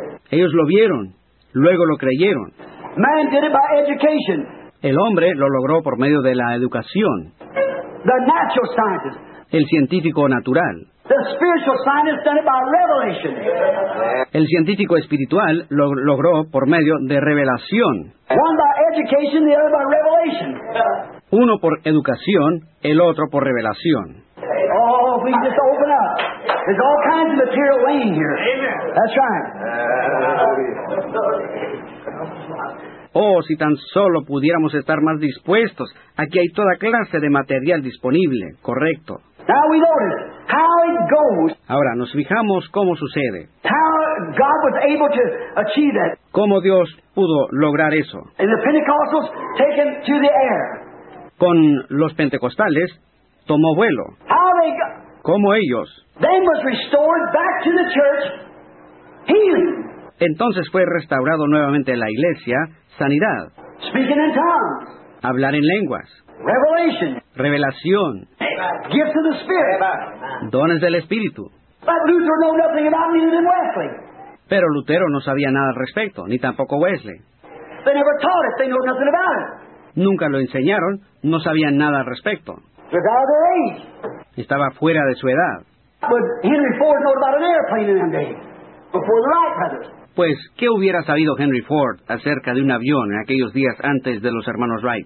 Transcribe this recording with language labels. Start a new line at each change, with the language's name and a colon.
Spanish: Ellos lo vieron, luego lo creyeron.
English: Man did it by education.
Spanish: El hombre lo logró por medio de la educación.
English: The natural scientist.
Spanish: El científico natural.
English: The spiritual scientist did it by revelation.
Spanish: El científico espiritual lo logró por medio de revelación.
English: One by education, the other by revelation.
Spanish: Uno por educación, el otro por revelación.
English: Oh, we just open up. There's all kinds of material laying here. Amen. That's right.
Spanish: Oh, si tan solo pudiéramos estar más dispuestos. Aquí hay toda clase de material disponible. Correcto.
English: Now we notice how it goes.
Spanish: Ahora, nos fijamos cómo sucede.
English: How God was able to achieve that.
Spanish: Cómo Dios pudo lograr eso.
English: And the Pentecostals taken to the air.
Spanish: Con los pentecostales, tomó vuelo.
English: How they go-
Spanish: cómo ellos.
English: Then was restored back to the church, healing.
Spanish: Entonces fue restaurado nuevamente la iglesia, sanidad.
English: Speaking in tongues.
Spanish: Hablar en lenguas.
English: Revelation.
Spanish: Revelación.
English: Gifts of the Spirit.
Spanish: Dones del Espíritu.
English: But Luther knew nothing about neither than Wesley.
Spanish: Pero Lutero no sabía nada al respecto, ni tampoco Wesley.
English: They never taught it. They knew nothing about it.
Spanish: Nunca lo enseñaron, no sabían nada al respecto.
English: Without their age.
Spanish: Estaba fuera de su edad.
English: But Henry Ford knew about an airplane in them days. Before the Wright brothers.
Spanish: Pues, ¿qué hubiera sabido Henry Ford acerca de un avión en aquellos días antes de los hermanos Wright?